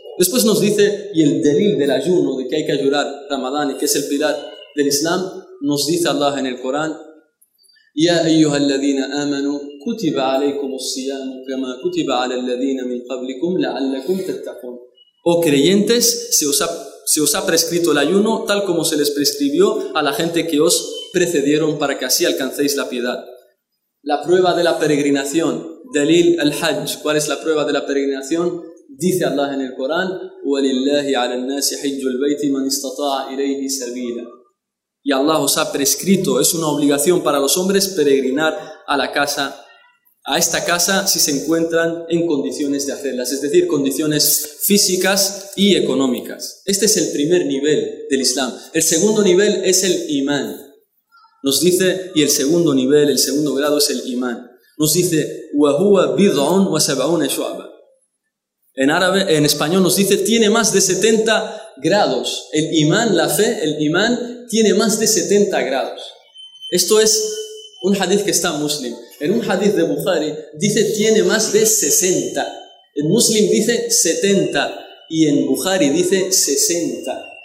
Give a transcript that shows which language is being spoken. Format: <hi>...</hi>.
<es>Después nos dice, y el delil del ayuno, de que hay que ayunar Ramadán y que es el pilar del Islam, nos dice Allah en el Corán,</es> <ar>يَا أَيُّهَا الَّذِينَ آمَنُوا كُتِبَ عَلَيْكُمُ الصِّيَامُ كَمَا كُتِبَ عَلَى الَّذِينَ مِنْ قَبْلِكُمْ لَعَلَّكُمْ تَتَّقُونَ.</ar> <es>Oh creyentes, se os ha prescrito el ayuno tal como se les prescribió a la gente que os precedieron para que así alcancéis la piedad. La prueba de la peregrinación, dalil al-hajj, ¿cuál es la prueba de la peregrinación? Dice Allah en el Corán,</es> <ar>وَلِلَّهِ عَلَى النَّاسِ حِجُّ الْبَيْتِ مَنْ اسْتَطَاعَ إِلَيْهِ سَبِيلًا.</ar> <es>Y Allah os ha prescrito, es una obligación para los hombres peregrinar a la casa, a esta casa, si se encuentran en condiciones de hacerlas, es decir, condiciones físicas y económicas. Este es el primer nivel del Islam. El segundo nivel es el imán. Nos dice, y el segundo nivel, el segundo grado es el imán. Nos dice,</es> <ar>وَهُوَ بِضْعٌ وَسَبْعُونَ شُعْبًا.</ar> <es>En árabe, en español nos dice, tiene más de 70 grados. El imán, la fe, el imán, tiene más de 70 grados. Esto es un hadith que está en Muslim. En un hadith de Bukhari dice tiene más de 60. En Muslim dice 70 y en Bukhari dice 60.</es>